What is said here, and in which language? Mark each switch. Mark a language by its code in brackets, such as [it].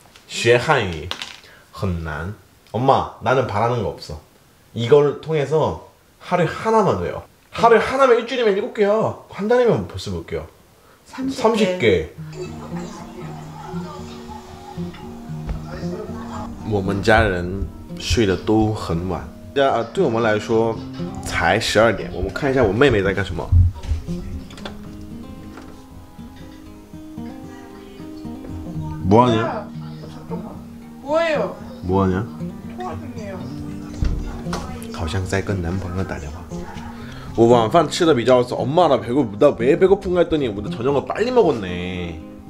[zh] 其实我妈年纪也不小所以学汉语很难 [ko] 엄마, 나는 바라는 거 없어. 이걸 통해서 하루에 하나만 외워. 하루에 하나면 일주일이면 7개야. 한 달이면 벌써 몇 개야? 30개. [zh] 我们家人睡得都很晚. 对我们来说才12点 我们看一下我妹妹在干什么。 [ko] 뭐하냐? 뭐예요? 뭐하냐? 통화 중이에요. [zh] 好像在跟男朋友打电话。我晚饭吃的比较早。 [ko] 엄마 나 배고프, 나 왜 배고픈가 했더니 우리 저녁을 빨리 먹었네.